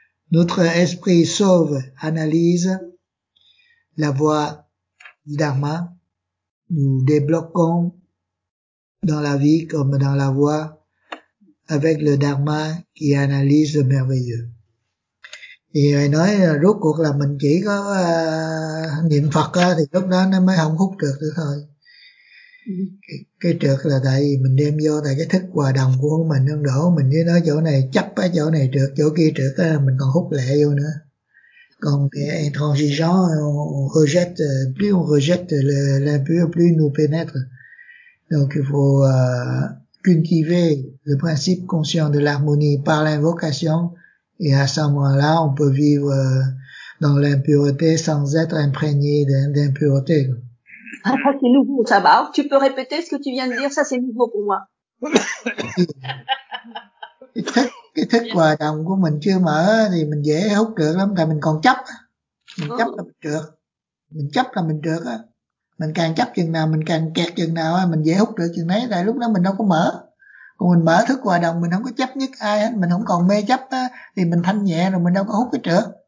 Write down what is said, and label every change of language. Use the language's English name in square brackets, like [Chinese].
[French] Notre esprit sauve, analyse la voie du Dharma. Nous débloquons dans la vie comme dans la voie avec le Dharma qui analyse le merveilleux. [Vietnamese] Thì nói rốt cuộc là mình chỉ có niệm Phật á, thì lúc đó nó mới không hút được nữa thôi. Cái trượt là tại vì mình đem vô tại cái thức hòa đồng của mình, ông đổ mình với nó chỗ này chấp á, chỗ này trượt, chỗ kia trượt á, mình còn hút lẹ vô nữa. Còn cái [French] intransigeant, on rejette, plus on rejette l'impur, plus il nous pénètre. Donc il faut cultiver le principe conscient de l'harmonie par l'invocation, et à ce moment-là, on peut vivre dans l'impureté sans être imprégné d'impureté. Ah, c'est nouveau, ça va. Alors, tu peux répéter ce que tu viens de dire, ça c'est nouveau pour moi. [Vietnamese] Cái thức hòa đồng của mình chưa mở thì mình dễ hút được lắm, tại mình còn chấp. Mình chấp là mình trượt. Mình chấp là mình trượt á. Mình càng chấp chừng nào, mình càng kẹt chừng nào, mình dễ hút được chừng đấy, tại lúc đó mình đâu có mở. Còn mình mở thức hòa đồng, mình không có chấp nhất ai hết, mình không còn mê chấp á, thì mình thanh nhẹ rồi, mình đâu có hút cái trượt.